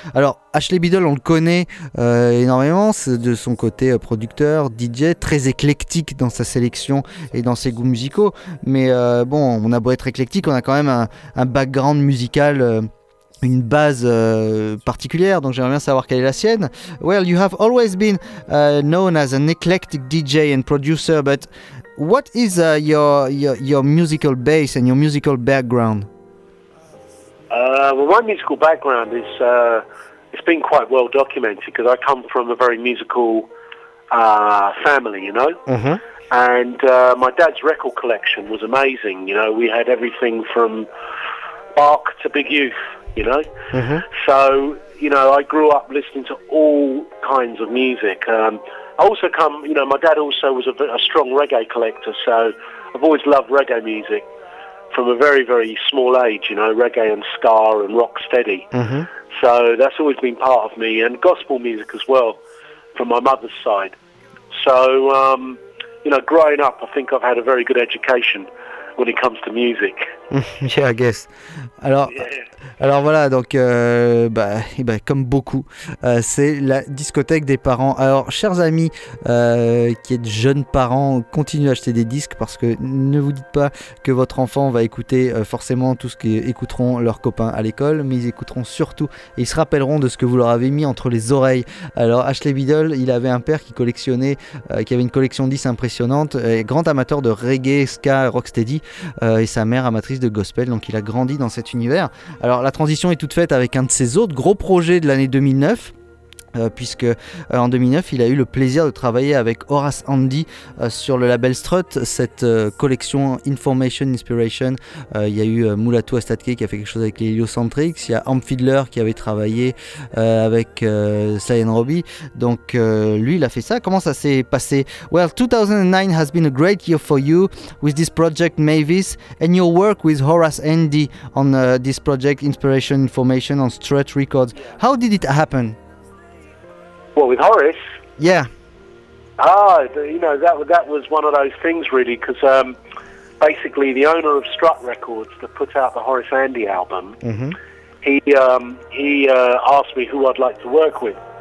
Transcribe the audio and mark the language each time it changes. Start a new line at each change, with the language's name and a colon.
French: Alors, Ashley Biddle, on le connaît énormément, c'est de son côté producteur, DJ, très éclectique dans sa sélection et dans ses goûts musicaux, mais on a beau être éclectique, on a quand même un background musical, une base particulière, donc j'aimerais bien savoir quelle est la sienne.
English: Well, you have always been known as an eclectic DJ and producer, but what is your musical base and your musical background? Well, my musical background is, it's been quite well documented, because I come from a very musical family, you know? And my dad's record collection was amazing, you know, we had everything from Bach to Big Youth, you know. So, you know, I grew up listening to all kinds of music. I also come, you know, my dad also was a strong reggae collector, so I've always loved reggae music from a very, very small age, you know, reggae and ska and rock steady. So that's always been part of me, and gospel music as well from my mother's side. So, you know, growing up, I think I've had a very good education, when it comes to music. Yeah, I guess. Alors, yeah.
French: Alors voilà, donc, comme beaucoup, c'est la discothèque des parents. Alors, chers amis qui êtes jeunes parents, continuez à acheter des disques parce que ne vous dites pas que votre enfant va écouter forcément tout ce qu'écouteront leurs copains à l'école, mais ils écouteront surtout, et ils se rappelleront de ce que vous leur avez mis entre les oreilles. Alors, Ashley Biddle, il avait un père qui collectionnait, qui avait une collection de disques impressionnante, et grand amateur de reggae, ska, rocksteady, et sa mère amatrice de gospel, donc il a grandi dans cet univers. Alors la transition est toute faite avec un de ses autres gros projets de l'année 2009, puisque en 2009 il a eu le plaisir de travailler avec Horace Andy sur le label Strut, cette collection Information Inspiration. Il y a eu Mulatu Astatke qui a fait quelque chose avec les Heliocentrics, il y a Amp Fiddler qui avait travaillé avec Sly & Robbie, donc lui il a fait ça. Comment ça s'est passé?
English: Well, 2009 has been a great year for you with this project Mavis and your work with Horace Andy on this project Inspiration Information on Strut Records. How did it happen? Well, with Horace? Yeah. That was one of those things, really, because basically the owner of Strut Records that put out the Horace Andy album, he asked me who I'd like to work with.